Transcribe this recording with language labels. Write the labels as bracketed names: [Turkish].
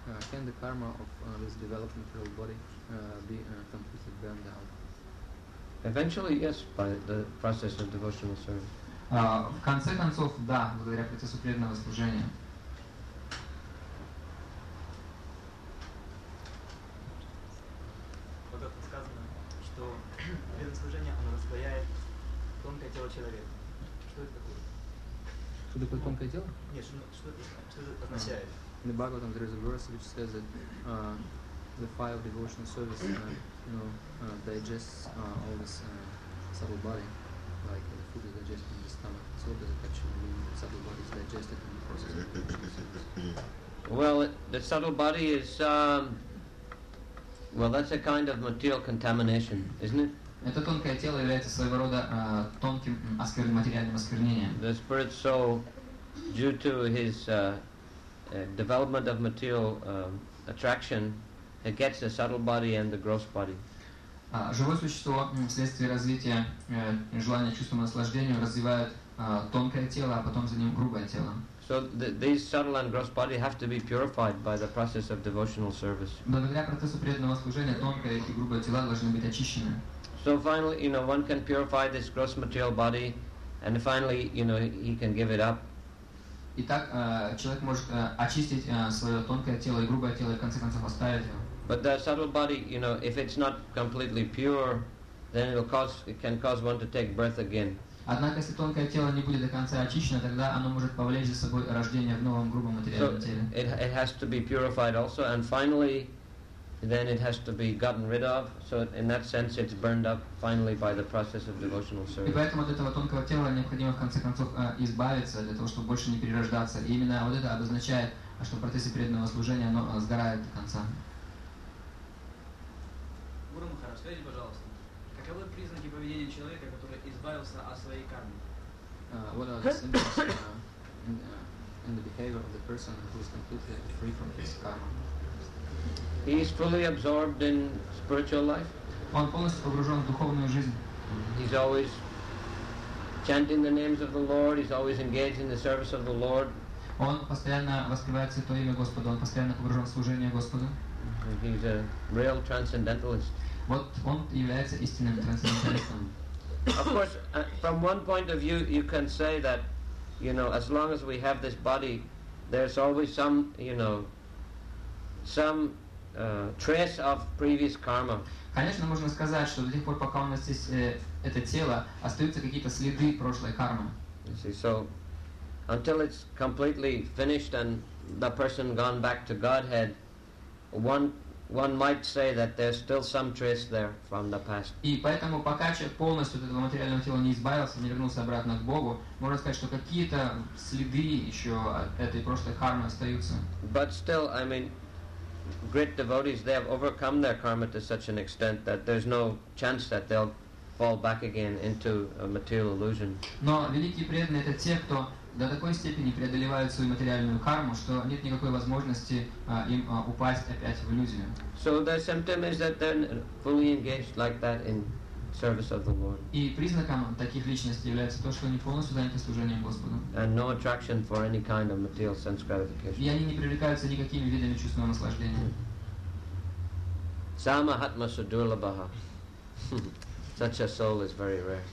[English] Can the karma of this developed material body be completely burned out? Eventually, yes, by the process of devotional service. [Russian] В конце концов, да, благодаря процессу преданного служения. Вот это сказано, что преданное служение оно распаяет тонкое тело человека. Что это такое? Что такое тонкое тело? Нет, что это означает? [English] In the Bhagavatam there is a verse which says that the fire of devotional service digests all this subtle body, like the food is digested in the stomach. So does it actually mean the subtle body is digested in the process of devotional service? Well, the subtle body is that's a kind of material contamination, isn't it? [Russian] Это тонкое тело является своего рода тонким материальным осквернением. [English] The spirit soul, due to his development of material attraction, it gets the subtle body and the gross body. [Russian] Живое существо вследствие развития желания чувства наслаждения развивает тонкое тело, а потом за ним грубое тело. [English] So these subtle and gross body have to be purified by the process of devotional service. [Russian] Благодаря процессу преданного служения тонкое и грубое тела должны быть очищены. [English] So finally, one can purify this gross material body, and finally, he can give it up. [Russian] Итак, человек может очистить свое тонкое тело и грубое тело, и в конце концов оставить его. [English] But the subtle body, if it's not completely pure, then it can cause one to take breath again. [Russian] Однако, если тонкое тело не будет до конца очищено, тогда оно может повлечь за собой рождение в новом грубом материальном теле. [English] So it has to be purified also, and finally, then it has to be gotten rid of. So in that sense, it's burned up finally by the process of devotional service. [Russian] И поэтому от этого тонкого тела необходимо в конце концов избавиться для того, чтобы больше не перерождаться. И именно вот это обозначает, что в процессе преданного служения оно сгорает до конца. Гуру Махарадж, скажите, пожалуйста, каковы признаки поведения человека, который избавился от своей кармы? [English] What are the symptoms in the behavior of the person who is completely free from his karma? He is fully absorbed in spiritual life. [Russian] Он полностью погружен в духовную жизнь. [English] He's always chanting the names of the Lord. He's always engaged in the service of the Lord. [Russian] Он постоянно воспевает Святое имя Господа. Он постоянно погружен в служение Господу. [English] He's a real transcendentalist. [Russian] Вот он является истинным трансценденталистом. [English] Of course, from one point of view, you can say that, you know, as long as we have this body, there's always some, you know, some trace of previous karma. [Russian] Конечно, можно сказать, что до тех пор, пока у нас есть это тело, остаются какие-то следы прошлой кармы. [English] You see, so until it's completely finished and the person gone back to Godhead, one might say that there's still some trace there from the past. [Russian] И поэтому, пока человек полностью от этого материального тела не избавился, не вернулся обратно к Богу, можно сказать, что какие-то следы еще от этой прошлой кармы остаются. [English] But still, I mean, great devotees, they have overcome their karma to such an extent that there's no chance that they'll fall back again into a material illusion. [Russian] Но великие преданные — это те, кто до такой степени преодолевают свою материальную карму, что нет никакой возможности им упасть опять в иллюзию. [English] So the symptom is that they're fully engaged like that in service of the Lord. [Russian] И признаком таких личностей является то, что они полностью заняты служением Господу. [English] And no attraction for any kind of material sense gratification. [Russian] И они не привлекаются никакими видами чувственного наслаждения. [Sanskrit] Samahatma Sudurlabha. [English] Such a soul is very rare.